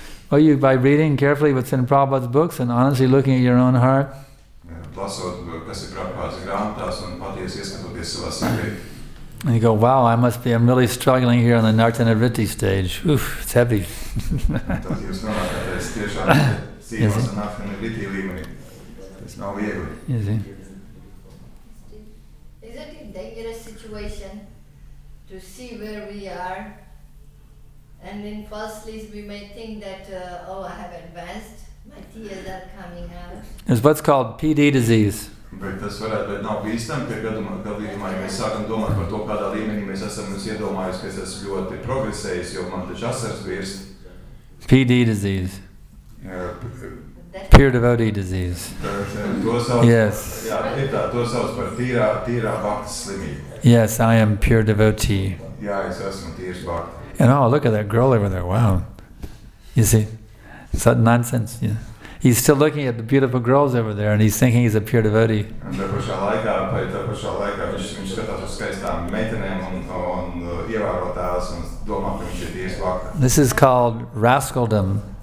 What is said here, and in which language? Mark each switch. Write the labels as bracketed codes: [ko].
[en] Well, you by reading carefully what's in Prabhupada's books and honestly looking at your own heart. [lv] Lasot, kas ir Prabhupāda grāmatās un patiesi ieskatoties savā sirdī. [en] And you go, wow, I'm really struggling here on the Nartanavritti stage. Oof, it's heavy. [lv] Tad jūs domājat, ka es tiešām cīnos ar Nartanavritti līmenī. Tas nav viegli. [en] Is it a dangerous situation to see where we are? And in first place we may think that, oh, I have advanced. My tears are coming out. It's what's called PD disease. [lv] Bet tas varētu būt nav bīstami, ka gadījumā, ja mēs sākam domāt par to, kādā līmenī mēs esam mums iedomājusi, ka es esmu ļoti progresējis, jo man taču asars virst. [en] PD disease. Pure devotee disease. [lv] To sauc par tīrā bhaktas slimību. [en] Yes, I am pure devotee. [lv] Jā, es esmu tīrs bhakta. [en] And oh, look at that girl over there, wow. You see? Such nonsense. Yeah. He's still looking at the beautiful girls over there and he's thinking he's a pure devotee. And the [lv] pašā laikā, vai tā pašā laikā, viņš skatās uz skaistām meitenēm un ievērotās un domā, ka viņš ir tīrs bhakta. [en] This is called rascaldom.